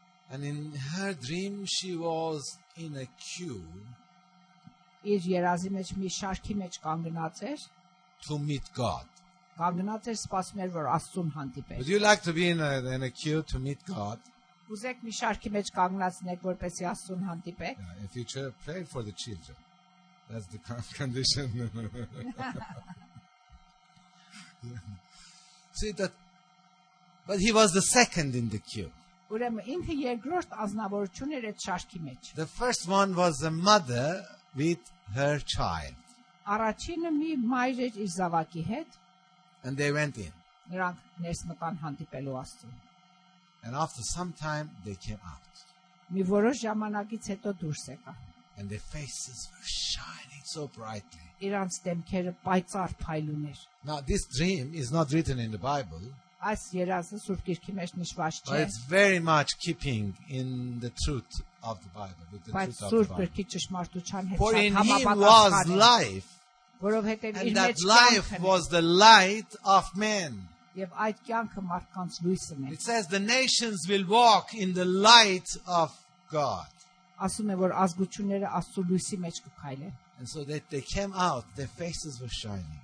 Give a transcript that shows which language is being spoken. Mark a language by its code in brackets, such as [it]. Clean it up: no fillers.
[en] And in her dream, she was in a queue. [hy] Իր երազի մեջ մի շարքի մեջ կանգնած էր. [en] To meet God. [hy] Կանգնած էր սպասում էր որ Աստծուն հանդիպի. [en] Would you like to be in a queue to meet God? [hy] Ուզեք մի շարքի մեջ կանգնածնեք որպեսզի Աստծուն հանդիպեք? [en] In the future, pray for the children. That's the condition. See that? But he was the second in the queue. [hy] Ուրեմն ինքը երկրորդ ազնվորություն էր այդ շարքի մեջ. [en] The first one was a mother with her child. [hy] Առաջինը մի մայր էր իր զավակի հետ. [en] And they went in. [hy] Նրանք ներս մտան հանդիպելու Աստծուն. [en] And after some time they came out. [hy] Մի որոշ ժամանակից հետո դուրս եկան. [en] And their faces were shining so brightly. [hy] Իրանց դեմքերը պայծառ փայլուն էր. [en] Now this dream is not written in the Bible. [hy] Այս երազը Սուրբ Գիրքի մեջ նշված չէ. [en] But it's very much keeping in the truth of the Bible, with the but truth of the Bible. [hy] Գիրքի ճշմարտության հետ շատ համապատասխան է. [en] For in him was life. [hy] Որովհետև իր մեջ կյանքն էր. [en] And that life was the light of men. [hy] Եվ այդ կյանքը մարդկանց լույսն էր. [en] It says the nations will walk in the light of God. [hy] Ասում է որ ազգությունները Աստծո լույսի մեջ կփայլեն. [en] And so they came out, their faces were shining.